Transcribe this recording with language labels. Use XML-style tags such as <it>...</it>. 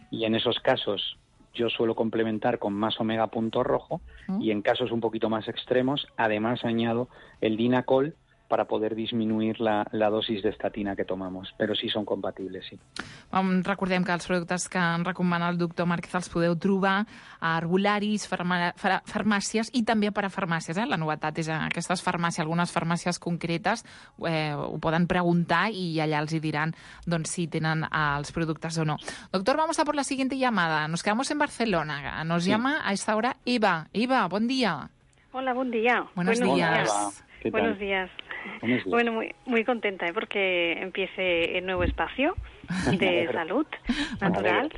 <es>Y en esos casos yo suelo complementar con más omega punto rojo y en casos un poquito más extremos, además añado el Dinacol, para poder disminuir la dosis d'estatina que tomamos,</es> <ca>però sí, són compatibles, sí. Recordem que els productes que han recomanat el doctor Márquez els podeu trobar a herbolaris, farmàcies i també a parafarmàcies. La novetat és aquestes farmàcies, algunes farmàcies concretes ho poden preguntar i allà els hi diran doncs, si tenen els productes o no.</ca> <es>Doctor, vamos a por la siguiente llamada. Nos quedamos en Barcelona. Nos sí. llama a esta hora Eva.</es> <ca>Eva, bon dia.</ca> <es>Hola, buen día. Buenos días. Buenos días. Bueno, muy contenta, porque empiece el nuevo espacio de salud natural.</es>